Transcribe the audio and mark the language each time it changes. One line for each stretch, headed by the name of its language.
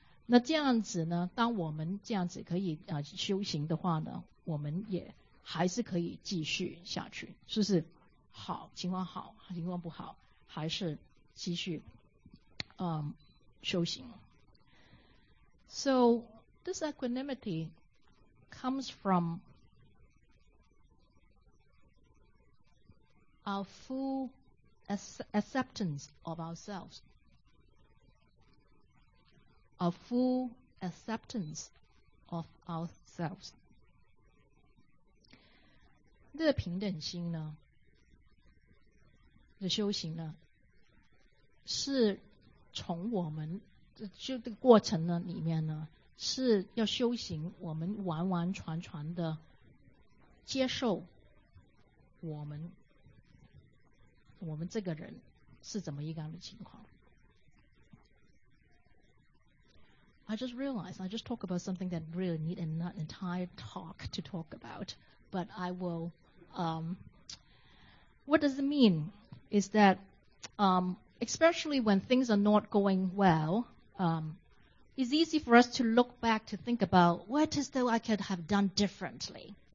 Chinese: 那这样子呢，当我们这样子可以修行的话呢，我们也还是可以继续下去，是不是？好，情况好，情况不好，还是继续修行。
English: So this equanimity comes from our full acceptance of ourselves, our full acceptance of ourselves.
Chinese: 这个平等心呢，的修行呢，是从我们就这个过程呢里面呢，是要修行我们完完全全的接受我们这个人是怎么一样的情况。
English: I just realized I just talk about something that really need an entire talk to talk about, but I will what does it mean is that especially when things are not going wellit's easy for us to look back to think about what is that I could have done differently.